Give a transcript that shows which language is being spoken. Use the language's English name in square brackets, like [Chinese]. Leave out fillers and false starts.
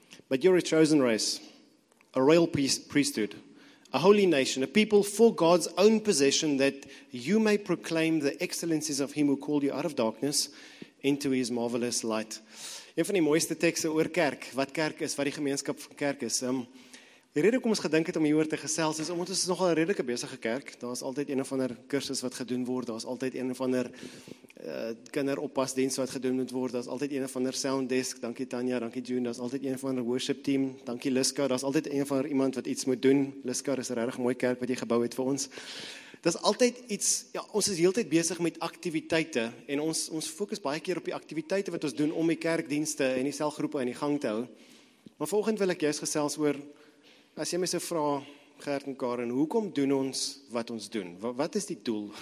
[English] But you're a chosen race, a royal priesthood, a holy nation, a people for God's own possession that you may proclaim the excellencies of him who called you out of darkness into his marvelous light. [Afrikaans] Een van die mooiste tekste oor kerk is, wat die gemeenskap van kerk is. Die rede hoekom ons gedink het om hieroor te gesels is omdat ons is nogal 'n redelike besige kerk. Daar is altyd een of ander kursus wat gedoen word, daar is altyd een of ander kinderoppasdienst wat gedoen moet word, daar is altyd een of ander sounddesk, dankie Tanya, dankie June, daar is altyd een of ander worship team, dankie Liska, daar is altyd een of ander iemand wat iets moet doen. Liska, is 'n regtig mooi kerk wat jy gebou het vir ons. Dis altyd iets, ja, ons is heeltyd besig met aktiwiteite en ons fokus baie keer op die aktiwiteite wat ons doen om die kerkdienste en die selgroepe in die gang te hou. Maar vanoggend wil ek juist gesels oor as jy my so vra, Gert en Karen, hoekom doen ons wat ons doen? Wat is die doel?